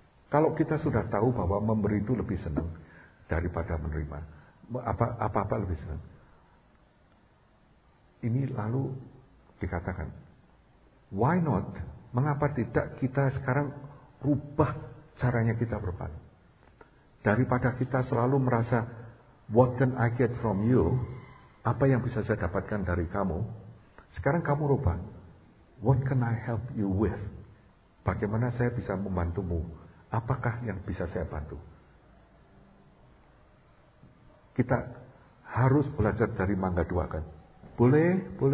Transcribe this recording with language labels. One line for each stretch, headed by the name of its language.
Indonesian: Kalau kita sudah tahu bahwa memberi itu lebih senang daripada menerima, apa-apa lebih senang. Ini lalu dikatakan,
English: why not?
Indonesian: Mengapa tidak kita sekarang rubah caranya kita berbagi? Daripada kita selalu merasa,
English: what can I get from you?
Indonesian: Apa yang bisa saya dapatkan dari kamu? Sekarang kamu rubah.
English: What can I help you with?
Indonesian: Bagaimana saya bisa membantumu? Apakah yang bisa saya bantu? Kita harus belajar dari Mangga Dua kan? Boleh.